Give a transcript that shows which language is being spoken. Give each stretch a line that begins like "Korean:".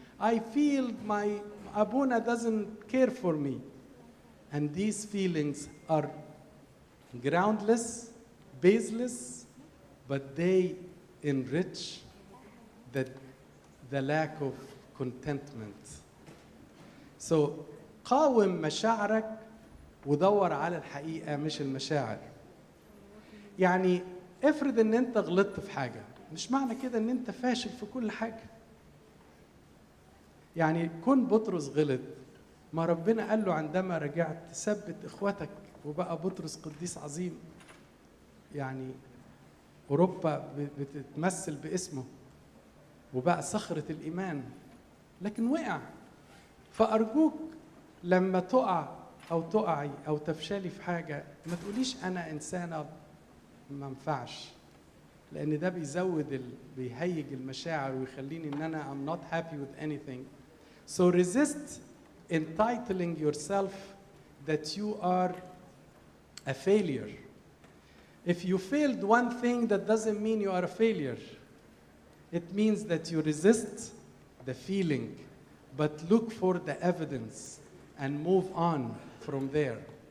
English: I feel my abuna doesn't care for me. And these feelings are groundless, baseless, but they enrich the lack of contentment.
Arabic: So, قاوم مشاعرك ودور على الحقيقة مش المشاعر. يعني افرض ان انت غلطت في حاجة، مش معنى كده ان انت فاشل في كل حاجة. يعني كون بطرس غلط، ما ربنا قال له عندما رجعت ثبت اخوتك وبقى بطرس قديس عظيم. يعني اوروبا بتتمثل باسمه وبقى صخرة الايمان، لكن وقع. فارجوك لما تقع او تقعي او تفشلي في حاجة، ما تقوليش انا انسانة ما انفعش، لان ده بيزود بيهيج المشاعر ويخليني ان انا
English: I'm not happy with anything. So resist entitling yourself that you are a failure. If you failed one thing, that doesn't mean you are a failure. It means that you resist the feeling, but look for the evidence and move on from there.